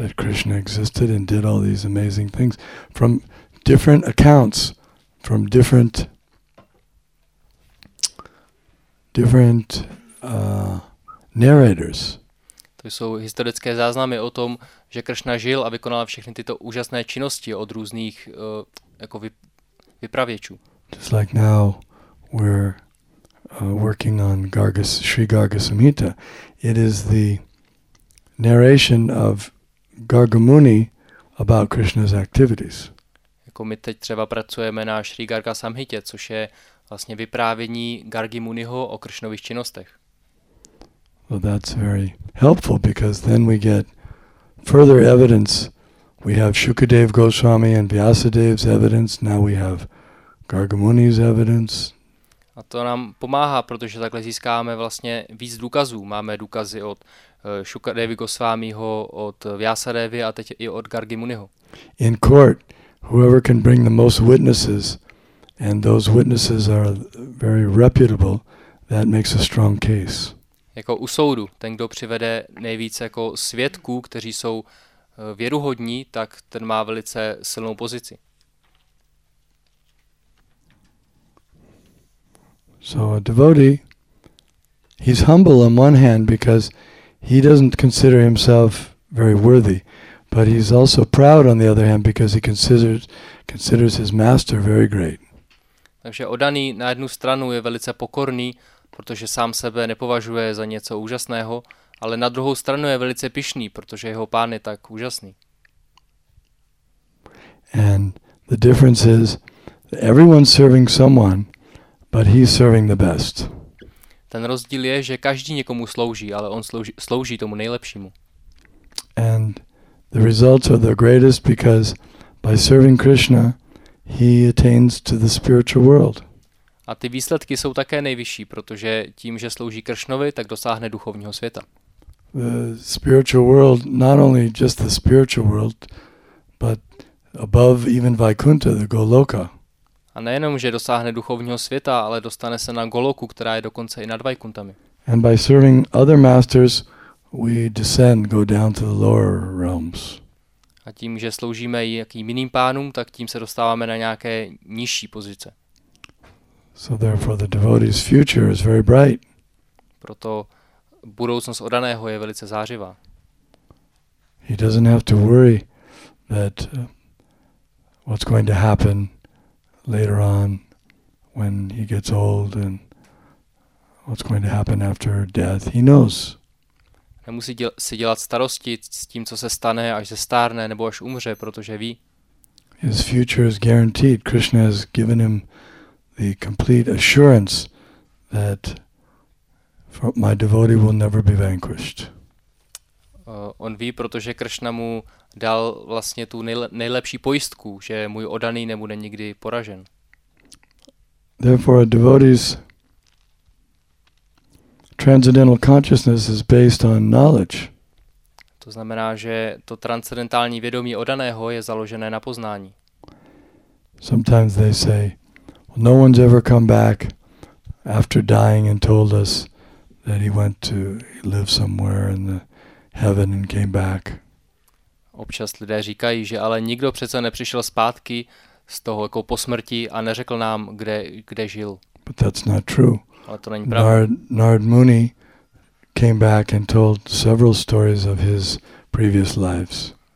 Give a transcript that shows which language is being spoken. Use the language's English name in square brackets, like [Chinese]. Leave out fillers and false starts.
[English] That Krishna existed and did all these amazing things from different accounts. From different narrators. [Czech] To jsou historické záznamy o tom, že Krishna žil a vykonal všechny tyto úžasné činnosti od různých vypravěčů. [English] Just like now we're working on Sri Gargasamhita. It is the narration of Gargamuni about Krishna's activities. [Czech] My teď třeba pracujeme na Sri Garga Samhitě, což je vlastně vyprávění Gargi Muniho o Kršnových činnostech. [English] Well, that's very helpful because then we get further evidence. We have Shukadev Goswami and Vyasadev's evidence. Now we have Garga Muni's evidence. [Czech] A to nám pomáhá, protože takhle získáváme vlastně víc důkazů. Máme důkazy od Shukadevi Goswamiho, od Vyasadevi a teď i od Gargi Muniho. [English] In court, whoever can bring the most witnesses, and those witnesses are very reputable, that makes a strong case. [Czech] Jako u soudu, ten, kdo přivede nejvíce jako svědků, kteří jsou věruhodní, tak ten má velice silnou pozici. [English] So a devotee, he's humble on one hand because he doesn't consider himself very worthy. But he's also proud on the other hand because he considers his master very great. [Czech] Takže oddaný na jednu stranu je velice pokorný, protože sám sebe nepovažuje za něco úžasného, ale na druhou stranu je velice pyšný, protože jeho pán je tak úžasný. [English] And the difference is that everyone's serving someone, but he's serving the best. [Czech] Ten rozdíl je, že každý někomu slouží, ale on slouží tomu nejlepšímu. [English] And the results are the greatest because by serving Krishna he attains to the spiritual world. [Czech] A ty výsledky jsou také nejvyšší, protože tím, že slouží Kršnovi, tak dosáhne duchovního světa. [English] The spiritual world, not only just the spiritual world, but above even Vaikuntha, the Goloka. [Czech] A nejenom, že dosáhne duchovního světa, ale dostane se na Goloku, která je dokonce i nad Vaikuntami. [English] And by serving other masters, we descend, go down to the lower realms. [Czech] A tím, že sloužíme jakým jiným pánům, tak tím se dostáváme na nějaké nižší pozice. [English] So therefore the devotee's future is very bright. [Czech] Proto budoucnost oddaného je velice zářivá. [English] He doesn't have to worry that what's going to happen later on when he gets old and what's going to happen after death. He knows. [Czech] Nemusí si dělat starosti s tím, co se stane, až se stárne nebo až umře, protože ví. [English] His future is guaranteed. Krishna has given him the complete assurance that my devotee will never be vanquished. [Czech] On ví, protože Krishna mu dal vlastně tu nejlepší pojistku, že můj oddaný nebude nikdy poražen. [English] Therefore, a devotee's transcendental consciousness is based on knowledge. [Czech] To znamená, že to transcendentální vědomí oddaného je založené na poznání. [English] Sometimes they say, no one's ever come back after dying and told us that he went to live somewhere in the heaven and came back. [Czech] Občas lidé říkají, že ale nikdo přece nepřišel zpátky z toho jako po smrti a neřekl nám, kde žil. [English] But that's not true. [Czech] Ale to není pravda. [English] Narad Muni came back and told several stories of his previous lives.